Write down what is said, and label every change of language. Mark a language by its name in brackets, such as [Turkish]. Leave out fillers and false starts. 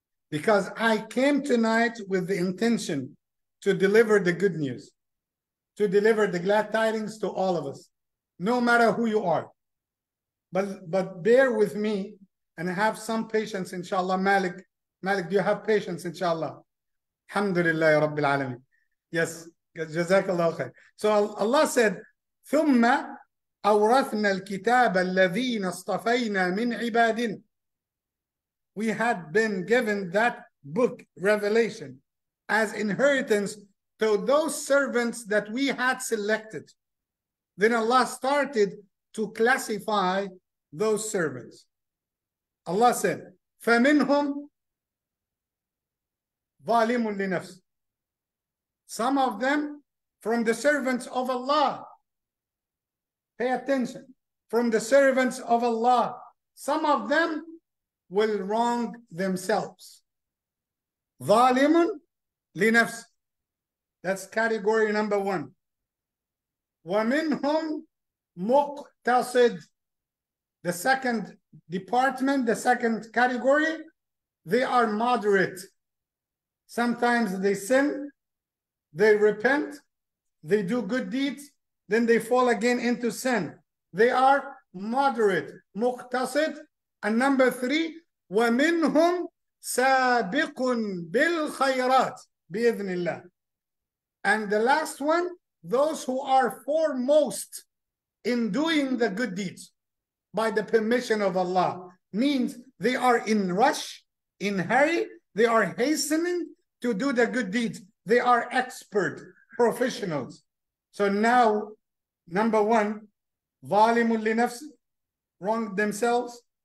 [English] Because I came tonight with the intention to deliver the good news, to deliver the glad tidings to all of us, no matter who you are. But bear with me and have some patience, inshallah. Malik, do you have patience, inshallah? Alhamdulillah, ya Rabbil Alameen. Yes, Jazakallah khair. So Allah said, [Arabic] ثُمَّ أَوْرَثْنَا الْكِتَابَ الَّذِينَ اصْطَفَيْنَا مِنْ عِبَادٍ. [English] We had been given that book, Revelation, as inheritance to those servants that we had selected. Then Allah started to classify those servants. Allah said, [Arabic] فَمِنْهُمْ ظَالِمٌ لِنَفْسِ. [English] Some of them from the servants of Allah. Pay attention. From the servants of Allah. Some of them will wrong themselves. [Arabic] ظَالِمٌ لِنَفْسِ. [English] That's category number one. [Arabic] وَمِنْهُمْ مُقْتَصِدٌ. [English] The second department, the second category, they are moderate. Sometimes they sin, they repent, they do good deeds, then they fall again into sin. They are moderate, muqtasid. And number three, [Arabic] وَمِنْهُمْ سَابِقٌ بِالْخَيْرَاتِ بِإِذْنِ اللَّهِ. [English] And the last one, those who are foremost in doing the good deeds by the permission of Allah, means they are in rush, in hurry, they are hastening to do the good deeds. They are expert professionals. So now, number one, [Arabic] ظَالِمٌ لِنَفْسِ, [English] wrong themselves.